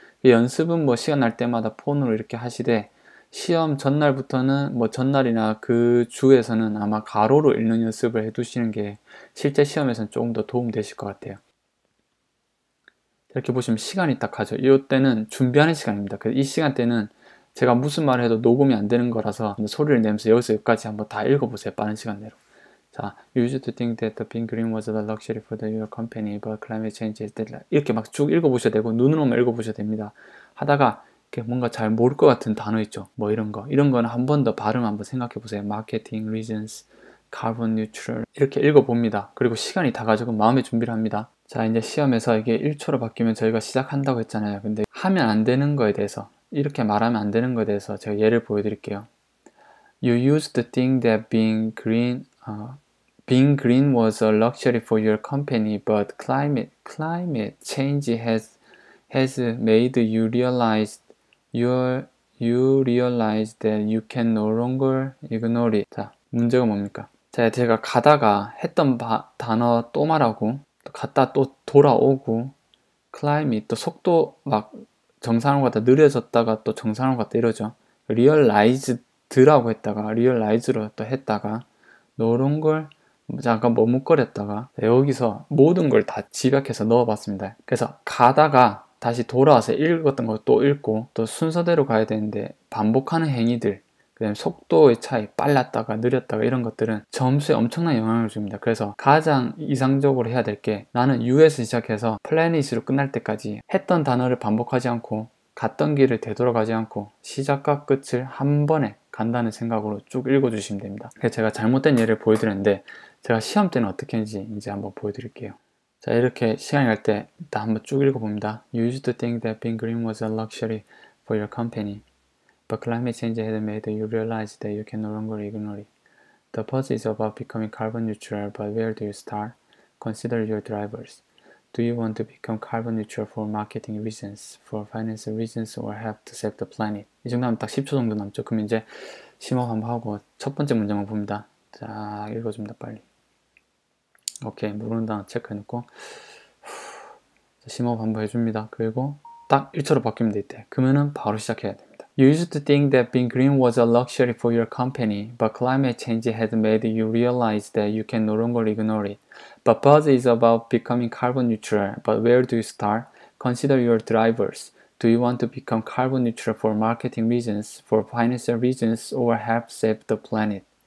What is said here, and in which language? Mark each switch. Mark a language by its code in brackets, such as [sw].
[ko] 연습은 뭐 시간 날 때마다 폰으로 이렇게 하시되 시험 전날부터는 뭐 전날이나 그 주에서는 아마 가로로 읽는 연습을 해두시는 게 실제 시험에서는 조금 더 도움 되실 것 같아요. 이렇게 보시면 시간이 딱 가죠. 이때는 준비하는 시간입니다. 그래서 이 시간대는 제가 무슨 말을 해도 녹음이 안 되는 거라서 소리를 내면서 여기서 여기까지 한번 다 읽어보세요. 빠른 시간 내로. [en] 자, You used to think that the pink green was the luxury for your company, but climate change is deadly. [ko] 이렇게 막쭉 읽어보셔야 되고, 눈으로만 읽어보셔야 됩니다. 하다가, 이렇게 뭔가 잘 모를 것 같은 단어 있죠? 뭐 이런 거. 이런 거는 한번더 발음 한번 생각해보세요. [en] Marketing, reasons, carbon neutral. [ko] 이렇게 읽어봅니다. 그리고 시간이 다 가지고 마음의 준비를 합니다. 자, 이제 시험에서 이게 1초로 바뀌면 저희가 시작한다고 했잖아요. 근데 하면 안 되는 거에 대해서. 이렇게 말하면 안 되는 것에 대해서 제가 예를 보여드릴게요. [en] You used to think that being green was a luxury for your company, but climate change has made you realize that you can no longer ignore it. [ko] 자, 문제가 뭡니까? 자, 제가 가다가 했던 단어 또 말하고, 또 갔다 또 돌아오고, climate 또 속도 막 정상으로 갔다 느려졌다가 또 정상으로 갔다 이러죠. Realized라고 했다가 Realize로 또 했다가 노런 걸 잠깐 머뭇거렸다가 여기서 모든 걸다 집약해서 넣어봤습니다. 그래서 가다가 다시 돌아와서 읽었던 것도 읽고 또 순서대로 가야 되는데 반복하는 행위들 그다음에 속도의 차이, 빨랐다가 느렸다가 이런 것들은 점수에 엄청난 영향을 줍니다. 그래서 가장 이상적으로 해야 될 게, 나는 U에서 시작해서 플래닛으로 끝날 때까지 했던 단어를 반복하지 않고 갔던 길을 되돌아가지 않고 시작과 끝을 한 번에 간다는 생각으로 쭉 읽어주시면 됩니다. 그래서 제가 잘못된 예를 보여드렸는데, 제가 시험 때는 어떻게 했는지 이제 한번 보여드릴게요. 자, 이렇게 시간이 갈때 일단 한번 쭉 읽어봅니다. [en] You used to think that being green was a luxury for your company. But climate change had made you realize that you can no longer ignore it. The puzzle is about becoming carbon neutral, but where do you start? Consider your drivers. Do you want to become carbon neutral for marketing reasons, for finance reasons, or help to save the planet? [ko] 이 정도 하면 딱 10초 정도 남죠. 그럼 이제 심호흡 한번 하고 첫 번째 문장만 봅니다. 자, 읽어줍니다, 빨리. 오케이, 모르는 단어 체크해놓고 심호흡 한번 해줍니다. 그리고 딱 1초로 바뀝니다, 이때. 그러면은 바로 시작해야 됩니다. [en] You used to think that being green was a luxury for your company, but climate change had made you realize that you can no longer ignore it. But buzz is about becoming carbon neutral, but where do you start? Consider your drivers. Do you want to become carbon neutral for marketing reasons, for financial reasons, or help save the planet?